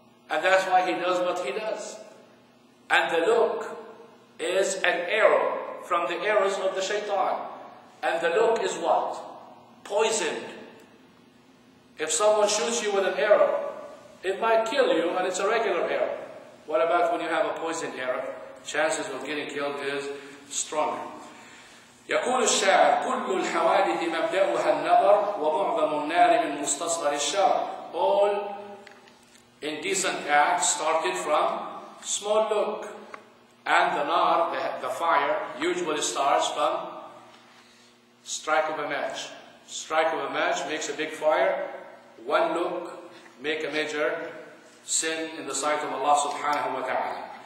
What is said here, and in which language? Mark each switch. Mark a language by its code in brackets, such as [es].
[en] And that's why he does what he does. And the look is an arrow from the arrows of the shaitan. And the look is what? Poisoned. If someone shoots you with an arrow, it might kill you, and it's a regular arrow. What about when you have a poisoned arrow? Chances of getting killed is stronger. [ar] يقول الشاعر كل الحوادث مبدأها النظر ومعظم النار من مستصغر الشر. [en] All indecent acts started from small look, and the nar, the fire, usually starts from strike of a match. Strike of a match makes a big fire. One look make a major sin in the sight of Allah subhanahu wa ta'ala.